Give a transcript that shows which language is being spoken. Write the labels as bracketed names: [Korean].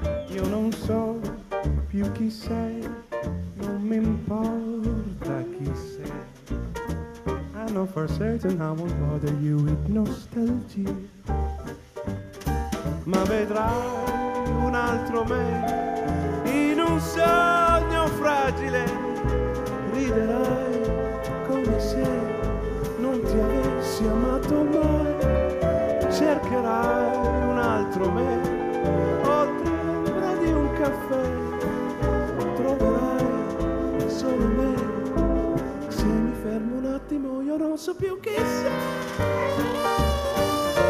[Italian] Io non so più chi sei, non mi importa chi sei. [English] I know for certain I won't bother you with nostalgia. [Italian] Ma vedrai un altro me in un sogno fragile. Riderai come se non ti avessi amato mai. Cercherai un altro me, oltre l'ombra di un caffè, troverai solo me, se mi fermo un attimo io non so più chi sei.